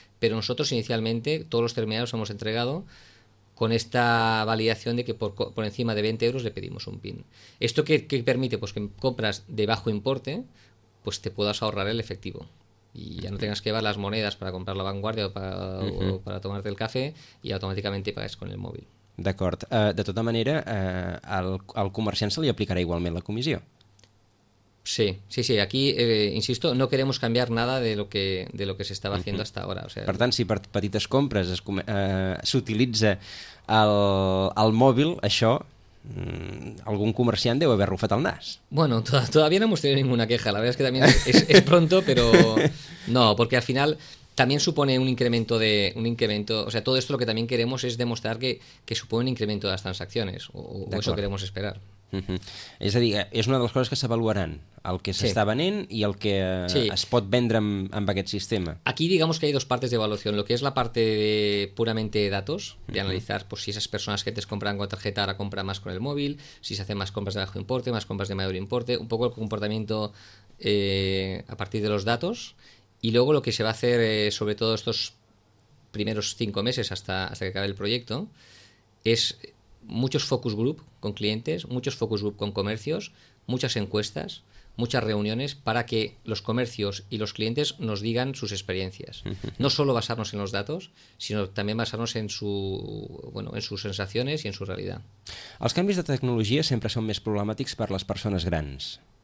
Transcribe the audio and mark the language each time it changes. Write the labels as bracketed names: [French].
[Spanish] Pero nosotros, inicialmente, todos los terminales hemos entregado con esta validación de que por encima de 20 euros le pedimos un PIN. ¿Esto qué permite? Pues que compras de bajo importe, pues te puedas ahorrar el efectivo. Y ya no tengas que llevar las monedas para comprar la Vanguardia o para tomarte el café y automáticamente pagues con el móvil. [Catalan] D'acord. De tota manera, al comerciant se li aplicarà igualment la comissió. [Spanish] Sí. Aquí, insisto, no queremos cambiar nada de lo que se estaba haciendo hasta ahora. O sea, [Catalan] per tant, si per petites compres s'utilitza el mòbil, això, algun comerciant deu haver rufat el nas. [Spanish] Bueno, todavía no hemos tenido ninguna queja. La verdad es que también es pronto, pero no, porque al final también supone un incremento, o sea, todo esto lo que también queremos es demostrar que supone un incremento de las transacciones, o eso queremos esperar. [Catalan] És a dir, és una de les coses que s'avaluaran, el que s'està venent i el que es pot vendre amb aquest sistema. [Spanish] Aquí digamos que hay 2 partes de evaluación, lo que es la parte de puramente datos, de analizar pues, si esas personas que antes compran con tarjeta ahora compran más con el móvil, si se hacen más compras de bajo importe, más compras de mayor importe, un poco el comportamiento a partir de los datos. Y luego lo que se va a hacer, sobre todo estos primeros 5 meses hasta que acabe el proyecto, es muchos focus group con clientes, muchos focus group con comercios, muchas encuestas, muchas reuniones para que los comercios y los clientes nos digan sus experiencias. No solo basarnos en los datos, sino también basarnos en sus sensaciones y en su realidad. [Catalan] Els canvis de tecnologia sempre són més problemàtics per les persones grans.